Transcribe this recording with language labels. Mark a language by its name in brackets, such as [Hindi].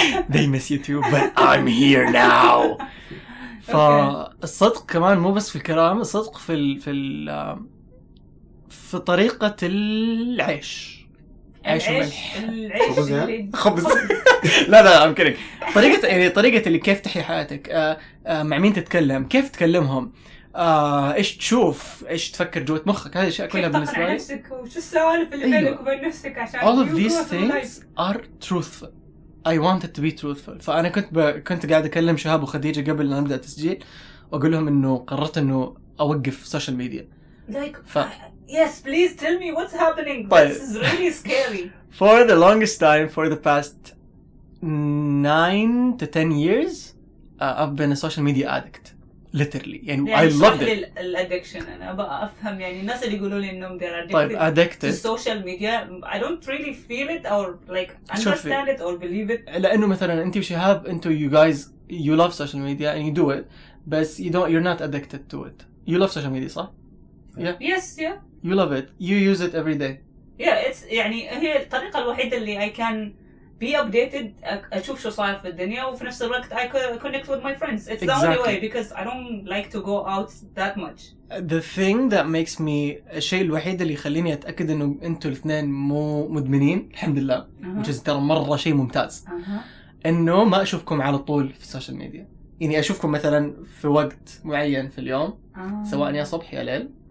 [English] They miss you too but I'm here now. [Arabic] فالصدق كمان مو بس في الكلام, الصدق في ال في ال في طريقة العيش. عيش وملح. خبز. لا لا [English] I'm kidding. [Arabic] طريقة يعني طريقة اللي كيف تحيا حياتك, مع مين تتكلم, كيف تكلمهم, إيش تشوف, إيش تفكر جوة مخك, هذه الأشياء كلها بالنسبة لي. كيف تقنع نفسك وشو السوالف اللي بينك وبين نفسك عشان. [English] All of these things are truthful. I wanted to be truthful. [Arabic] فأنا كنت قاعد أكلم شهاب وخديجة قبل أن نبدأ تسجيل وأقول لهم إنه قررت إنه أوقف سوشيال ميديا. [English] Yes, please tell me what's happening. This is really scary. For the longest time, for the past 9 to 10 years, I've been a social media addict. Literally. يعني, [Arabic] يعني [English] I loved it. [Arabic] الأدكشن أنا أبغى أفهم يعني الناس اللي يقولوا لي إنهم [English] they're addicted to social media. I don't really feel it or like understand شوفي. It or believe it. [Arabic] لأنه مثلاً أنت وشهاب, أنتوا [English] you guys you love social media and you do it, but you're not addicted to it. You love social media, صح؟ Yeah. Yes, yeah. You love it. You use it every day. Yeah, it's [Arabic] يعني هي الطريقة الوحيدة اللي [English] I can be updated, [Arabic] أشوف شو صاير في الدنيا, وفي نفس الوقت [English] I connect with my friends. It's exactly. The only way because I don't like to go out that much. The thing that makes me [Arabic] الشيء الوحيد اللي يخليني أتأكد إنه أنتوا الاثنين مو مدمنين الحمد لله, [English] which is [Arabic] ترى مرة شيء ممتاز. إنه ما أشوفكم على طول في السوشيال ميديا. يعني أشوفكم مثلاً في وقت معين في اليوم, سواء يا صبح يا ليل.